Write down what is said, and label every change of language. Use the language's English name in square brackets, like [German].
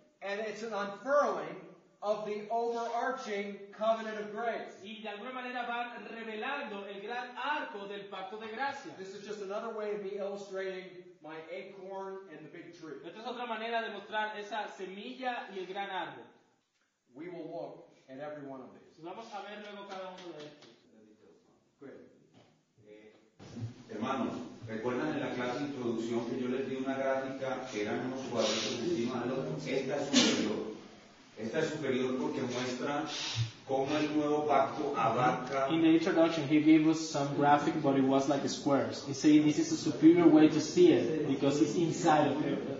[English] And it's an unfurling of the overarching covenant of grace. [Spanish] Y de alguna manera van revelando el gran arco del pacto de gracia. [English] This is just another way of me illustrating my acorn and the big tree. [Spanish] Esta es otra manera de mostrar esa semilla y el gran árbol. [English] We will look at every one of these. [Spanish] Vamos a ver luego cada uno de estos. [English] Great. [Spanish] Hermanos, ¿recuerdan en la clase de introducción que yo les di una gráfica que eran unos cuadritos encima del otro? Esta es superior. Esta es superior porque muestra cómo el nuevo pacto abarca. [English] In the introduction, he gave us some graphic, but it was like squares. He said this is a superior way to see it because it's inside of it.